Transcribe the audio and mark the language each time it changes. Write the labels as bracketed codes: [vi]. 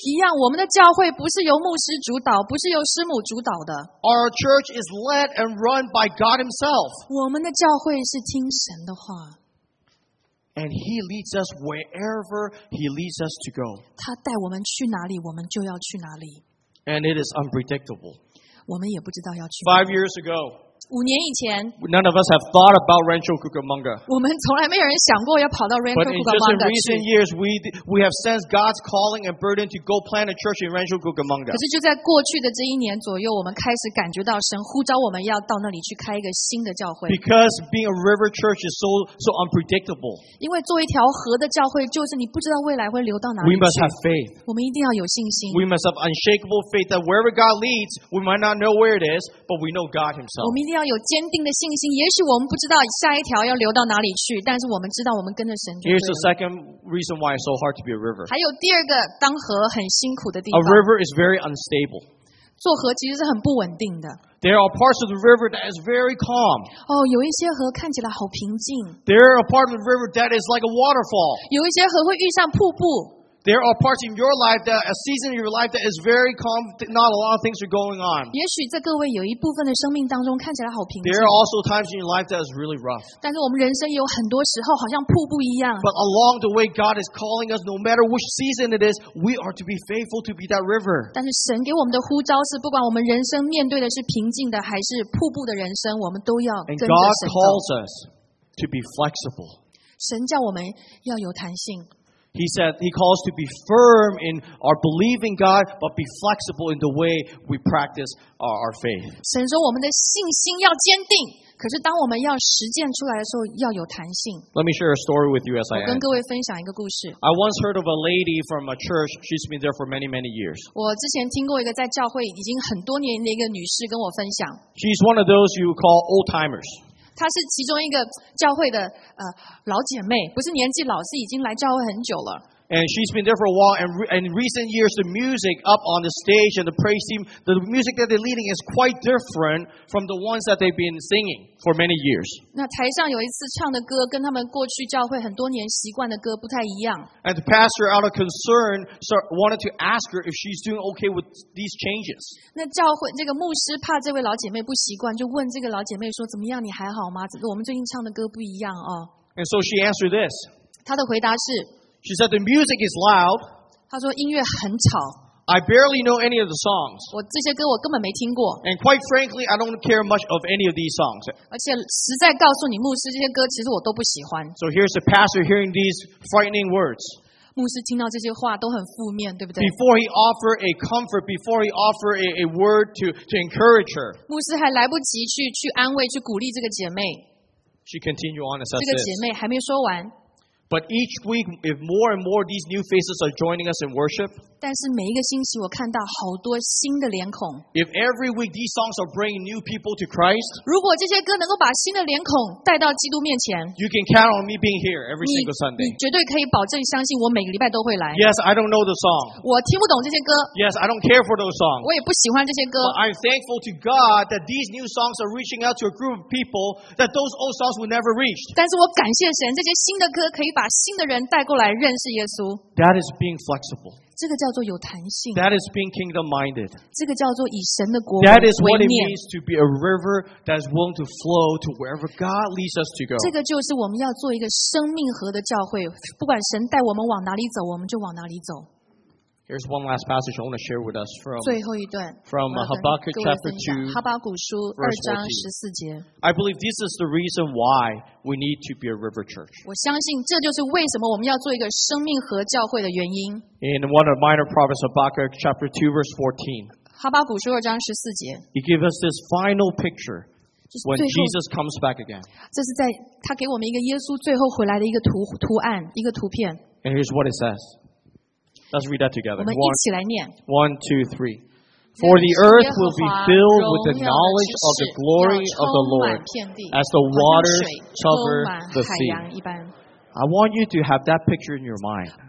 [zh] 一样，我们的教会不是由牧师主导，不是由师母主导的。 [en] Our church is led and run by God Himself. [zh] 我们的教会是听神的话。 [en] And He leads us wherever He leads us to go. [zh] 他带我们去哪里，我们就要去哪里。 [en] And it is unpredictable. [zh] 我们也不知道要去哪里。 [en] 5 years ago, [zh] 五年以前, [en] none of us have thought about Rancho Cucamonga. [zh] 我们从来没有人想过要跑到 Rancho Cucamonga 去。 [en] But in just recent years, we have sensed God's calling and burden to go plant a church in Rancho Cucamonga. [zh] 可是就在过去的这一年左右，我们开始感觉到神呼召我们要到那里去开一个新的教会。 [en] Because being a river church is so unpredictable. [zh] 因为做一条河的教会就是你不知道未来会流到哪里去。 [en] We must have faith. [zh] 我们一定要有信心。 [en] We must have unshakable faith that wherever God leads, we might not know where it is, but we know God Himself. [zh] 一定要有坚定的信心。也许我们不知道下一条要流到哪里去，但是我们知道我们跟着神就对 [en] Here's the second reason why it's so hard to be a river. [zh] 还有第二个当河很辛苦的地方。 [en] A river is very unstable. [zh] 做河其实是很不稳定的。 [en] There are parts of the river that is very calm. [zh] 哦，有一些河看起来好平静。 [en] There are parts of the river that is like a waterfall. [zh] 有一些河会遇上瀑布。 [en] There are parts in your life, that a season in your life that is very calm, not a lot of things are going on. [zh] 也许在各位有一部分的生命当中看起来好平静。 [en] There are also times in your life that is really rough. [zh] 但是我们人生有很多时候好像瀑布一样。 [en] But along the way, God is calling us, no matter which season it is, we are to be faithful to be that river. [zh] 但是神给我们的呼召是，不管我们人生面对的是平静的还是瀑布的人生，我们都要跟着神走。 [en] And God calls us to be flexible. [zh] 神叫我们要有弹性。 [en] He said he calls to be firm in our belief in God, but be flexible in the way we practice our faith. [zh] 神说我们的信心要坚定，可是当我们要实践出来的时候，要有弹性。 [en] Let me share a story with you as I end. [zh] 我跟各位分享一个故事。 [en] I once heard of a lady from a church. She's been there for many, many years. [zh] 我之前听过一个在教会已经很多年的一个女士跟我分享。 [en] She's one of those you call old timers. [zh] 她是其中一个教会的老姐妹，不是年纪老，是已经来教会很久了。 [en] And she's been there for a while, and in recent years, the music up on the stage and the praise team, the music that they're leading is quite different from the ones that they've been singing for many years. [zh] 那台上有一次唱的歌跟他们过去教会很多年习惯的歌不太一样。 [en] And the pastor, out of concern, wanted to ask her if she's doing okay with these changes. [zh] 那教会这个牧师怕这位老姐妹不习惯，就问这个老姐妹说：“怎么样？你还好吗？我们最近唱的歌不一样哦。” [en] And so she answered this. [zh] 她的回答是。 [en] She said the music is loud. [zh] 她说音乐很吵。 [en] I barely know any of the songs. [zh] 我这些歌我根本没听过。 [en] And quite frankly, I don't care much of any of these songs. [zh] 而且实在告诉你，牧师这些歌其实我都不喜欢。 [en] So here's the pastor hearing these frightening words. [zh] 牧师听到这些话都很负面，对不对？ [en] Before he offered a comfort, before he offered a word to encourage her. [zh] 牧师还来不及去安慰、去鼓励这个姐妹。 [en] She continued on and said this. [zh] 这个姐妹还没说完。 [en] But each week, if more and more of these new faces are joining us in worship, [zh] 但是每一个星期我看到好多新的脸孔。 [en] If every week these songs are bringing new people to Christ, [zh] 如果这些歌能够把新的脸孔带到基督面前， [en] you can count on me being here every single Sunday. [zh] 你绝对可以保证相信我每个礼拜都会来。 [en] Yes, I don't know the song. [zh] 我听不懂这些歌。 [en] Yes, I don't care for those songs. [zh] 我也不喜欢这些歌。 [en] But I'm thankful to God that these new songs are reaching out to a group of people that those old songs would never reach. [zh] 但是我感谢神，这些新的歌可以把新的人带过来认识耶稣。 [en] That is being flexible. [zh] 这个叫做有弹性。 [en] That is being kingdom-minded. [zh] 这个叫做以神的国为念。 [en] That is what it means to be a river that is willing to flow to wherever God leads us to go. [zh] 这个就是我们要做一个生命河的教会，不管神带我们往哪里走，我们就往哪里走。 [en] Here's one last passage I want to share with us from [zh] 最后一段 [en] from Habakkuk chapter 2, [zh] 哈巴谷书二章十四节。 [en] I believe this is the reason why we need to be a river church. [zh] 我相信这就是为什么我们要做一个生命河教会的原因。 [en] In one of the minor prophets, Habakkuk chapter 2, verse 14, [zh] 哈巴谷书二章十四节。 [en] He gives us this final picture when Jesus comes back again. [zh] 这是在他给我们一个耶稣最后回来的一个图案，一个图片。 [en] And here's what it says.Let's read that together. One, two, three. For the earth will be filled with the knowledge of the glory of the Lord, as the waters cover the sea. I want you to have that picture in your mind.